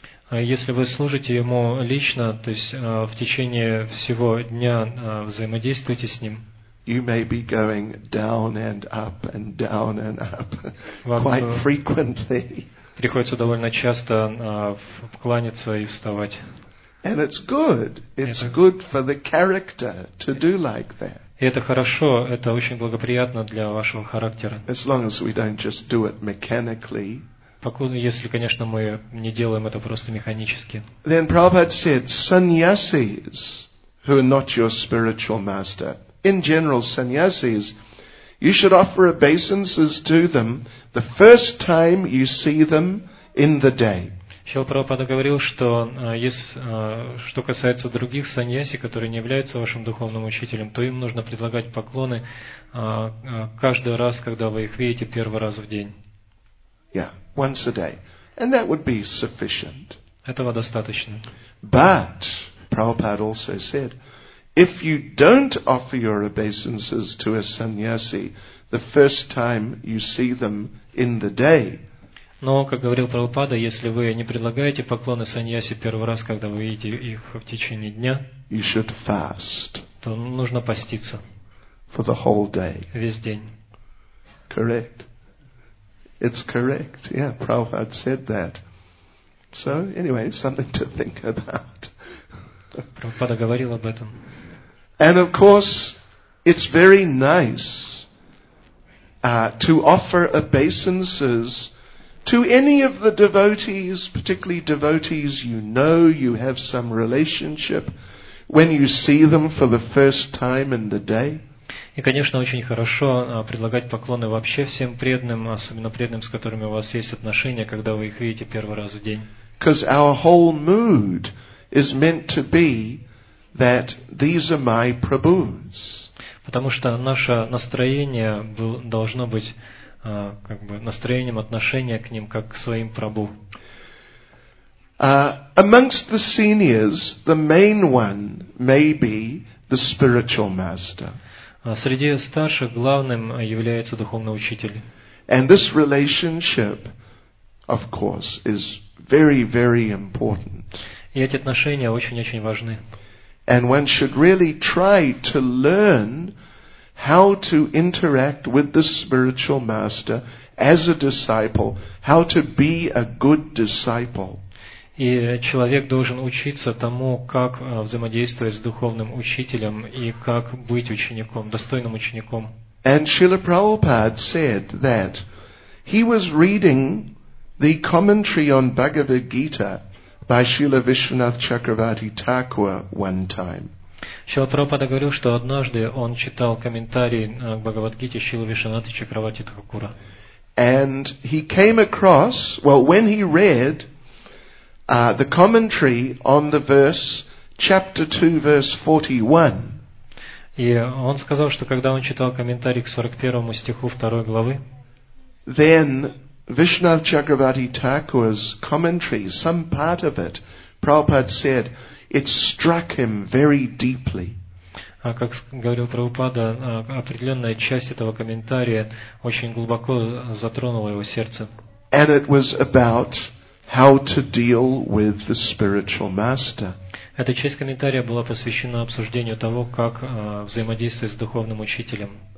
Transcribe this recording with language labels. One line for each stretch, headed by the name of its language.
Russian: Если вы служите ему лично, то есть в течение всего дня взаимодействуете с ним,
English: you may be going down and up and down and up quite frequently.
Russian: Приходится довольно часто вкланяться и вставать.
English: And it's good. It's good for the character to do like that.
Russian: И это хорошо, это очень благоприятно для вашего характера.
English: As long as we don't just do it mechanically.
Russian: Если, конечно, мы не делаем это просто механически.
English: Then Prabhupada said, sannyasis, who are not your spiritual master, in general, sannyasis, you should offer obeisances to them the first time you see them in the day.
Russian: Шрила Прабхупада говорил, что что касается других саньяси, которые не являются вашим духовным учителем, то им нужно предлагать поклоны каждый раз, когда вы их видите первый раз в день.
English: Yeah, once a day. And that would be sufficient.
Russian: Этого достаточно.
English: But Prabhupada also said, if you don't offer your obeisances to a sannyasi the first time you see them in the day.
Russian: Но, как говорил Прабхупада, если вы не предлагаете поклоны саньяси первый раз, когда вы видите их в течение дня,
English: you should fast.
Russian: То нужно поститься.
English: For the whole day.
Russian: Весь день.
English: Correct. It's correct. Yeah, Prabhupada said that. So, anyway, something to think about.
Russian: Прабхупада говорил об этом.
English: And of course, it's very nice to offer obeisances to any of the devotees, particularly devotees you know, you have some relationship, when you see them for the first time in the day.
Russian: И, конечно, очень хорошо предлагать поклоны вообще всем преданным, особенно преданным, с которыми у вас есть отношения, когда вы их видите первый раз в день.
English: Because our whole mood is meant to be that these are my prabhus.
Russian: Потому что наше настроение должно быть как бы настроением отношения к ним как к своим прабху.
English: Amongst the seniors, the main one may be the spiritual master.
Russian: Среди старших главным является духовный учитель.
English: And this relationship, of course, is very, very important.
Russian: И эти отношения очень-очень важны.
English: And one should really try to learn how to interact with the spiritual master as a disciple, how to be a good disciple.
Russian: И человек должен учиться тому, как взаимодействовать с духовным учителем и как быть учеником, достойным учеником.
English: And Srila Prabhupada said that he was reading the commentary on Bhagavad Gita by Srila Vishwanath Chakravarti Thakur one time.
Russian: Шрила Прабхупада говорил, что однажды он читал комментарий к Бхагавад-гите Шрилы Вишванаты Чакравати Такура.
English: And he came across, well, when he read the commentary on the verse, chapter 2, verse 41.
Russian: И он сказал, что когда он читал комментарий к 41 стиху 2 главы,
English: then Vishwanath Chakravarti Thakur's commentary, some part of it, Prabhupada said, it struck him very deeply.
Russian: Как говорил Прабхупада, определенная часть этого комментария очень глубоко затронула его сердце.
English: And it was about how to deal with the spiritual master.
Russian: Эта часть комментария была посвящена обсуждению того, как взаимодействовать с духовным учителем.